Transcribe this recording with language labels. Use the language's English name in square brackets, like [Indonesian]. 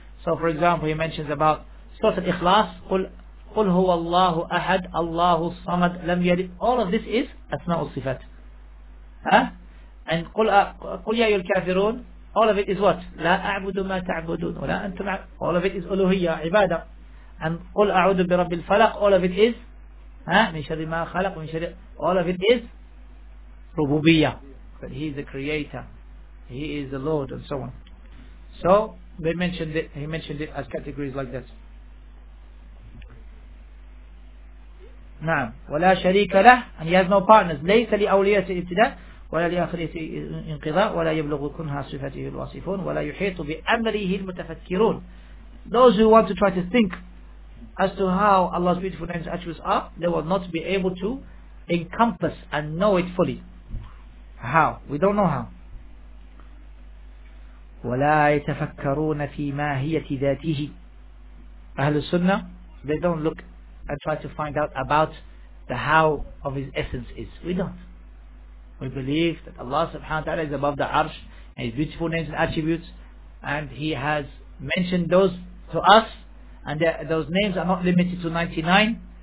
[English] So for example, he mentions about Surah Al-Ikhlas, [Arabic] قُلْ هُوَ اللَّهُ أَحَدْ اللَّهُ الصَّمَدْ لَمْ يَلِدْ. [English] All of this is Asma'u Sifat. [Arabic] And قُلْ يَا أَيُّهَا الْكَافِرُونَ. [English] All of it is what? [Arabic] لَا أَعْبُدُ مَا تَعْبُدُونَ وَلَا أَنْتُمْ. [English] All of it is Uluhiyya, Ibadah. [Arabic] And قُلْ أَعُودُ بِرَبِّ الْفَلَقْ. [English] All of it is [Arabic] مِنْ شَرِّ مَا خَلَقْ مِنْ شَرِّ. [English] All of it is Rububiyyah. That he is the creator, he is the Lord, and so on. So they mentioned it, he mentioned it as categories like this. [Arabic] نعم ولا شريك له, [English] and he has no partners. [Arabic] ليس لأولياء الابتداء ولا لآخرية انقضاء ولا يبلغ كنها صفاته الواصفون ولا يحيط بأمره المتفكرون. [English] Those who want to try to think as to how Allah's beautiful names and attributes are, they will not be able to encompass and know it fully. How? We don't know how. [Arabic] ولا يتفكرون في ماهية ذاته. [English] أهل السنة, they don't look and try to find out about the how of his essence is. We don't. We believe that Allah subhanahu wa ta'ala is above the arsh and his beautiful names and attributes, and he has mentioned those to us, and those names are not limited to 99.